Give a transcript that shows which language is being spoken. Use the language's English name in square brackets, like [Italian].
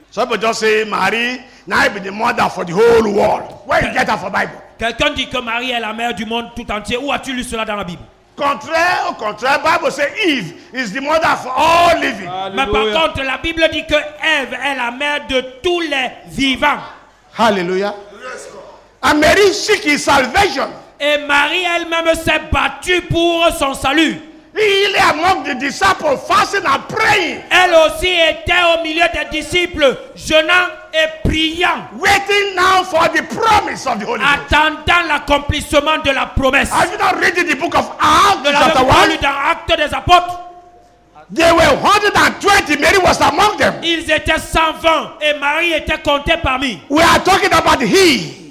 [English] Some people just say Marie now be the mother for the whole world. Where you get that from Bible? [French] Quelqu'un dit que Marie est la mère du monde tout entier. Où as-tu lu cela dans la Bible? Contraire au contraire, [English] Bible says Eve is the mother for all living. Alléluia. [French] Mais par contre, la Bible dit que Eve est la mère de tous les vivants. [English] Hallelujah. And Mary seek his salvation. [French] Et Marie elle-même s'est battue pour son salut. [English] He among the disciples fasting and praying. [French] Elle aussi était au milieu des disciples jeûnant et priant. [English] Waiting now for the promise of the Holy Ghost. [French] Attendant l'accomplissement de la promesse. [English] Have you not read the book of Acts chapter 1? [French] Lu dans Actes des Apôtres. [English] There were 120. Mary was among them. [French] Ils étaient 120 et Marie était comptée parmi. [English] We are talking about he.